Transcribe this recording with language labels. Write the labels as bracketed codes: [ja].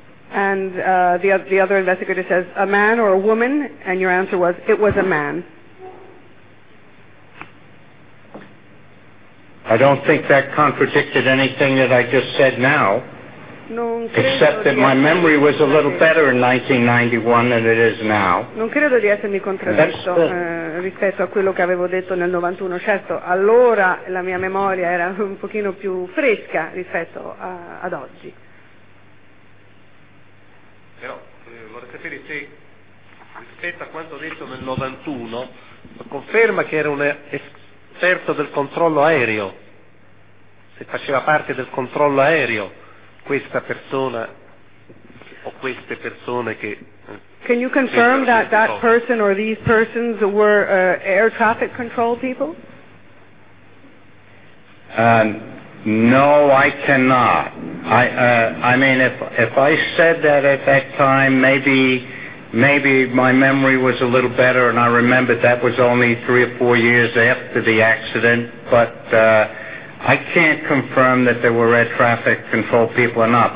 [en] And the other investigator says, a man or a woman? And your answer was, it was a man. I don't think that contradicted anything that I just said now, except that my memory was a little better in 1991 than it is now. [it] Non credo di essermi contraddetto rispetto a quello che avevo detto nel 91. Certo, allora la mia memoria era un pochino più fresca rispetto ad oggi. Però vorrei sapere se rispetto a quanto detto nel 91 conferma che era un esperto del controllo aereo, se faceva parte del controllo aereo questa persona o queste persone che... [en] Can you confirm that person or these persons were air traffic control people? No, I cannot. I mean, if I said that at that time, maybe my memory was a little better and I remembered that was only 3 or 4 years after the accident, but I can't confirm that there were air traffic control people or not.